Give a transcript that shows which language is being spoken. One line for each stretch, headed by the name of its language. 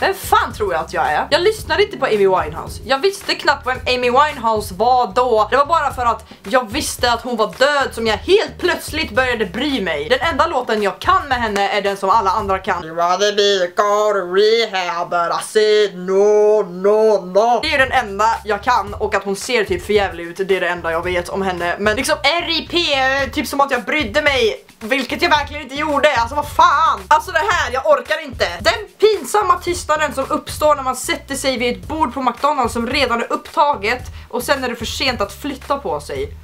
Swedish: Vem fan tror jag att jag är? Jag lyssnade inte på Amy Winehouse. Jag visste knappt vem Amy Winehouse var då. Det var bara för att jag visste att hon var död som jag helt plötsligt började bry mig. Den enda låten jag kan med henne är den som alla andra kan.
English: You wanna be a car rehab, but I said no, no, no.
Swedish: Det är den enda jag kan, och att hon ser typ förjävlig ut, det är det enda jag vet om henne. Men liksom R.I.P. typ som att jag brydde mig, vilket jag verkligen inte gjorde, alltså vad fan. Alltså det här, jag orkar inte. Den pinsamma tystnaden som uppstår när man sätter sig vid ett bord på McDonald's som redan är upptaget, och sen är det för sent att flytta på sig.